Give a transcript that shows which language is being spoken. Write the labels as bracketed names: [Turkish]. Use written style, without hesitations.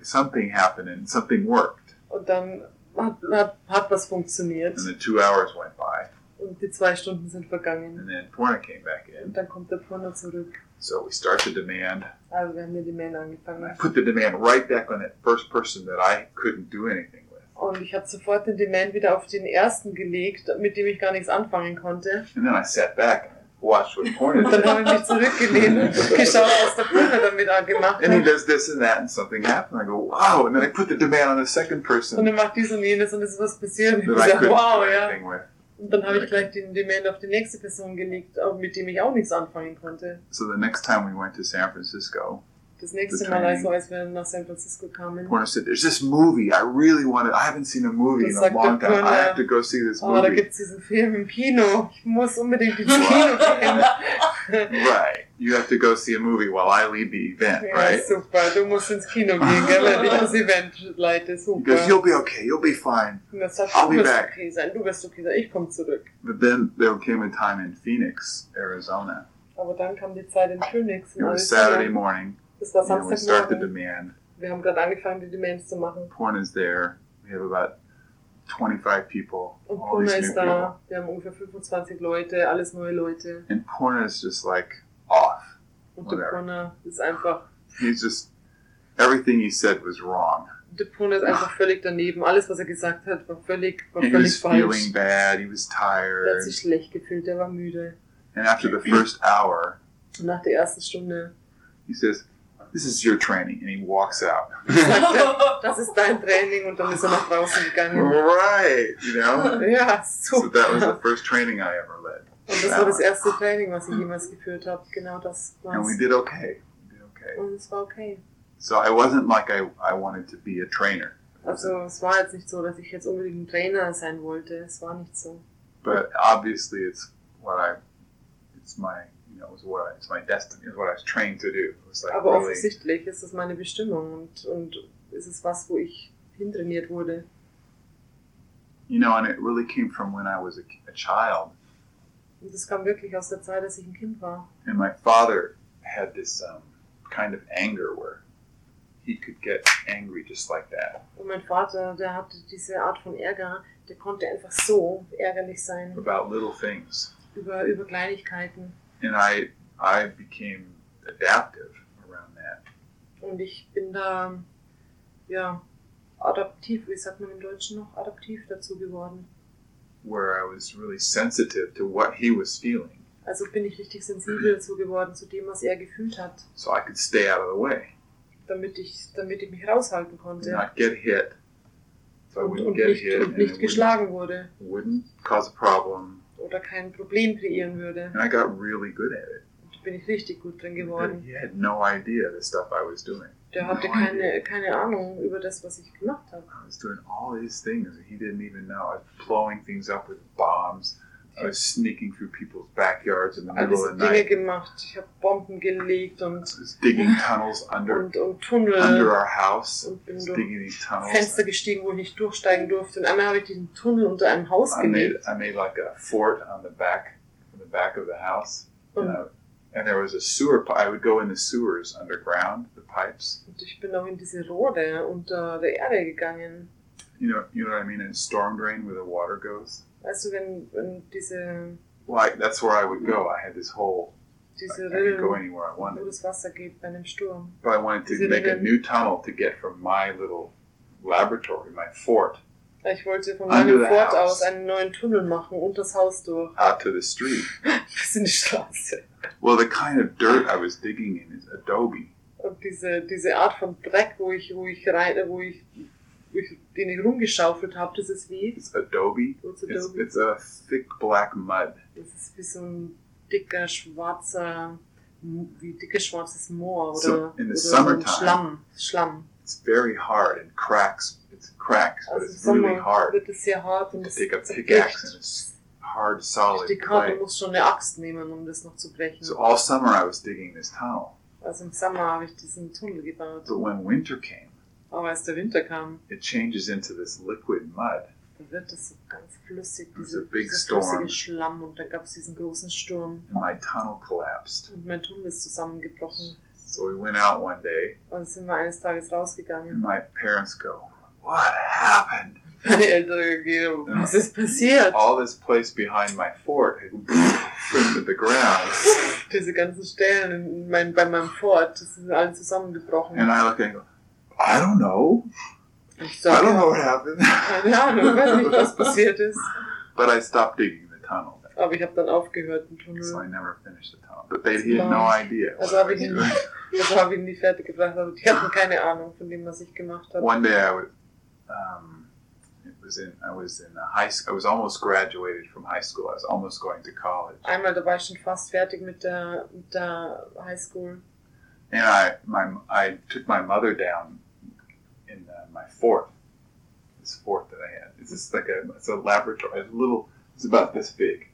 [English] Something happened and something worked. [German] Und dann hat was funktioniert. [English] And the 2 hours went by. [German] Und die 2 Stunden sind vergangen. [English] And then Porna came back in. [German] Und dann kommt der Porna zurück. [English] So we start the demand. [German] Also wir haben die Demand angefangen. [English] I put the demand right back on that first person that I couldn't do anything with. [German] Und ich habe sofort den Demand wieder auf den ersten gelegt, mit dem ich gar nichts anfangen konnte. [English] And then I sat back and watched what Porna did. [German] Und dann habe ich mich zurückgelehnt und geschaut, was der Porna damit gemacht hat. [English] And he does this and that and something happened. I go, wow. And then I put the demand on the second person. [German] Und er macht dies und jenes und es ist was passiert. Und ich sage, wow, ja. Und dann habe ich gleich den Demand auf die nächste Person gelegt, mit dem ich auch nichts anfangen konnte. [English] So the next time we went to San Francisco. [German] Das nächste Mal, als wir nach San Francisco kamen. [English] Porna said, there's this movie I really wanted. I haven't seen a movie in a long time. Porna, I have to go see this movie. [German] Oh, da gibt es diesen Film im Kino. Ich muss unbedingt ins Kino gehen. [English] Right. You have to go see a movie while I lead the event, [German] ja, [English] right? [German] Super. Du musst ins Kino gehen, gell? Wenn ich das Event leite, super. [English] Because you'll be okay. You'll be fine. I'll be back. [German] Okay sein. Du wirst okay sein. Ich komme zurück. [English] But then there came a time in Phoenix, Arizona. [German] Aber dann kam die Zeit in Phoenix. [English] It was Saturday morning. [German] Das war Samstagmorgen. [English] We start the demand. [German] Wir haben gerade angefangen, die Demands zu machen. [English] Porn is there. We have about 25 people. [German] Und Porna ist da. Wir haben ungefähr 25 Leute, alles neue Leute. [English] And Porna is just like off. [German] Und der Porna ist einfach. [English] He's just, everything he said was wrong. [German] Der Porna ist einfach völlig daneben. Alles, was er gesagt hat, war völlig falsch. [English] He was feeling bad. He was tired. [German] Er hat sich schlecht gefühlt. Er war müde. [English] And after the first hour. [German] Und nach der ersten Stunde. [English] He says, this is your training, and he walks out. [German] Das ist dein Training, und dann ist nach draußen gegangen. [English] Right, you know. [German] Ja, super. [English] So that was the first training I ever led. [German] Und das war das erste Training, was ich jemals geführt habe. Genau das. [English] And we did okay. We did okay. [German] Und es war okay. [English] So I wasn't like I wanted to be a trainer. [German] Also es war jetzt nicht so, dass ich jetzt unbedingt ein Trainer sein wollte. Es war nicht so. [English] But obviously, it's my destiny, it's what I was trained to do. [German] Like aber really offensichtlich ist das meine Bestimmung und ist es was, wo ich hintrainiert wurde. [English] You know, and it really came from when I was a child. [German] Und das kam wirklich aus der Zeit, als ich ein Kind war. [English] And my father had this kind of anger where he could get angry just like that. [German] Und mein Vater, der hatte diese Art von Ärger, der konnte einfach so ärgerlich sein. [English] About little things. [German] Über Kleinigkeiten. [English] And I became adaptive around that. [German] Und ich bin da, ja, adaptiv, wie sagt man im Deutschen noch, adaptiv dazu geworden. [English] Where I was really sensitive to what he was feeling. [German] Also bin ich richtig sensibel dazu geworden, zu dem, was er gefühlt hat. [English] So I could stay out of the way. [German] Damit ich mich raushalten konnte. [English] And not get hit. [German] So und nicht geschlagen wurde. [English] Wouldn't cause a problem. [German] Oder kein Problem kreieren würde. [English] And I got really good at it. [German] Da bin ich richtig gut drin geworden. [English] He had no idea the stuff I was doing. [German] Der hatte keine Ahnung über das, was ich gemacht habe. [English] I was doing all these things. He didn't even know. I was blowing things up with bombs. I was sneaking through people's backyards in the middle of the night. [German] Alles Dinge gemacht. Ich habe Bomben gelegt und [English] digging tunnels under [German] und Tunnel [English] under our house. [German] Und bin [English] digging these tunnels. [German] Fenster gestiegen, wo ich nicht durchsteigen durfte. Und einmal habe ich diesen Tunnel unter einem Haus gelegt. [English] I made like a fort on the back of the house. And there was a sewer pipe. I would go in the sewers underground, the pipes. [German] Und ich bin auch in diese Rohre unter der Erde gegangen. [English] You know what I mean? In storm drain where the water goes. [German] Weißt du, wenn diese [English] that's where I would go. I had this hole. I could go anywhere I wanted. [German] Das Wasser geht bei einem Sturm. [English] But I wanted to make a new tunnel to get from my little laboratory, my fort. [German] Ich wollte von meinem Fort aus einen neuen Tunnel machen und das Haus durch. [English] Out to the street. [German] Bis in die Straße. [English] Well, the kind of dirt I was digging in is adobe. [German] Und diese Art von Dreck, den ich rumgeschaufelt habe, das ist wie? [English] It's adobe. It's a thick black mud. [German] Das ist wie so ein dicker schwarzes Moor oder, so [English] in the [German] oder [English] summertime, [German] Schlamm. [English] It's very hard and cracks. [German] Wird es sehr hard und [English] take a pickaxe and it's hard, solid. [German] Du musst schon eine Axt nehmen, um das noch zu brechen. [English] So all summer I was digging this tunnel. [German] Also im Sommer habe ich diesen Tunnel gebaut. [English] But when winter came, [German] aber als der Winter kam, [English] it changes into this liquid mud. [German] Wird das so ganz flüssig, dieser flüssige Schlamm, und da gab es diesen großen Sturm. [English] And my tunnel collapsed. [German] Und mein Tunnel ist zusammengebrochen. [English] So we went out one day. [German] Und sind wir eines Tages rausgegangen. [English] And my parents go, what happened? [German] Meine Eltern gehen, was ist passiert? [English] All this place behind my fort went to the ground. [German] Diese ganzen Stellen bei meinem Fort, das sind alle zusammengebrochen. [English] And I look and go, I don't know. Sorry. I don't know what happened. [German] Keine Ahnung, weiß nicht, was passiert ist. [English] But I stopped digging the tunnel. [German] Aber ich habe dann aufgehört, den Tunnel. [English] So I never finished the tunnel. But they had no idea. [German] Also habe ich ihn nicht fertig gebracht, aber die hatten keine Ahnung von dem, was ich gemacht habe. [English] One day I was almost graduated from high school. I was almost going to college. [German] Einmal da war ich schon fast fertig mit der High School. [English] And I took my mother down. My fort, this fort that I had. It's just like a laboratory, it's about this big.